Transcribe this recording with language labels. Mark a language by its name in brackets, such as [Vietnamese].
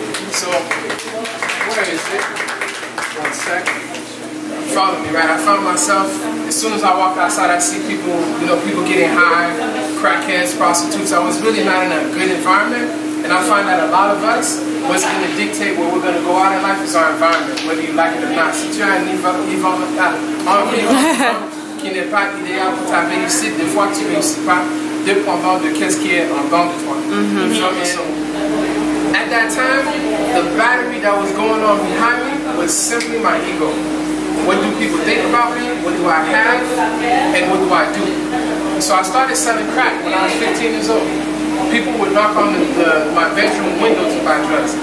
[English] So, where is it? 1 second. Follow me, right? I found myself, as soon as I walked outside, I see people, you know, people getting high, crackheads, prostitutes. I was really not in a good environment. And I find that a lot of us, what's going to dictate where we're going to go out in life is our environment, whether you like it or not. [French] Si tu as un environnement, qui n'est pas idéal pour ta réussite, des fois tu réussis pas, dépendant de qu'est-ce qui est en banque de toi. [English] You feel me? So, at that time, the battery that was going on behind me was simply my ego. What do people think about me? What do I have? And what do I do? So I started selling crack when I was 15 years old. People would knock on my bedroom window to buy drugs.